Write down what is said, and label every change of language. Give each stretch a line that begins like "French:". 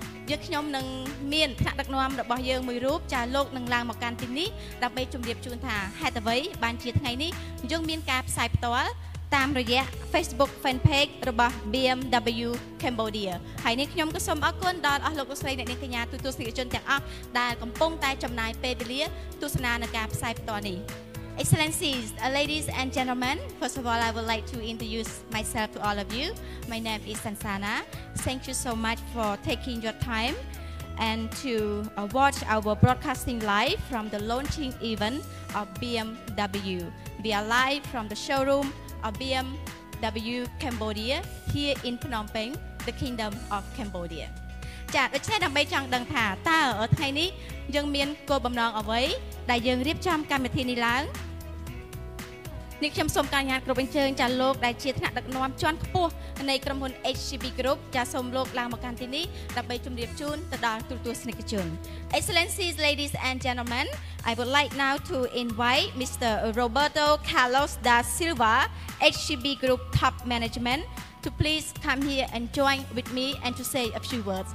Khmer: យើងខ្ញុំនឹងមានថ្នាក់ដឹកនាំរបស់យើងមួយរូបចាលោកនឹងឡើងមកកាន់ទីនេះដើម្បីជម្រាបជូនថាហេតុអ្វីបានជាថ្ងៃនេះយើងមានការផ្សាយផ្ទាល់តាមរយៈ Facebook Fanpage របស់ BMW Cambodia ហើយនេះខ្ញុំក៏សូមអរគុណដល់អស់លោកលោកស្រីអ្នកនាងកញ្ញាទូទស្សនិកជនទាំងអស់ដែលកំពុងតែចំណាយពេលវេលាទស្សនានៅការផ្សាយផ្ទាល់នេះ
English: Excellencies, ladies and gentlemen, first of all, I would like to introduce myself to all of you. My name is Sansana. Thank you so much for taking your time and to watch our broadcasting live from the launching event of BMW. We are live from the showroom of BMW Cambodia here in Phnom Penh, the Kingdom of Cambodia.
Khmer: ចា៎ដូច្នេះដើម្បីចង់ដឹងថាតើថ្ងៃនេះយើងមានគោលបំណងអ្វីដែលយើងរៀបចំកម្មវិធីនេះឡើង នេះខ្ញុំសូមការអនុញ្ញាតគ្រប់អញ្ជើញចាលោកដែលជាថ្នាក់ដឹកនាំជាន់ខ្ពស់នៃក្រុមហ៊ុន HCB Group ចាសូមលោកឡើងមកកាន់ទីនេះដើម្បីជម្រាបជូនទៅដល់ទូទស្សនិកជន
English: Excellencies, ladies and gentlemen, I would like now to invite Mr. Roberto Carlos da Silva, HCB Group Top Management, to please come here and join with me and to say a few words.